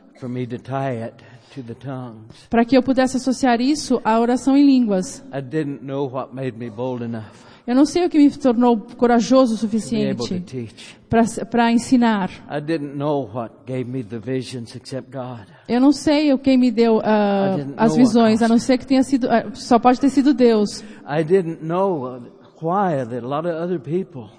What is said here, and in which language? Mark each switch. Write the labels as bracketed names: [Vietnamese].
[English] for me to tie it to the tongues. [Portuguese] Para que eu pudesse associar isso à oração em línguas. [English] I didn't know what made me bold enough. [Portuguese] Eu não sei o que me tornou corajoso o suficiente para ensinar. [English] I didn't know what gave me the visions except God. [Portuguese] Eu não sei o que me deu as visões, a não ser que tenha sido, só pode ter sido Deus. [English] I didn't know why that a lot of other people.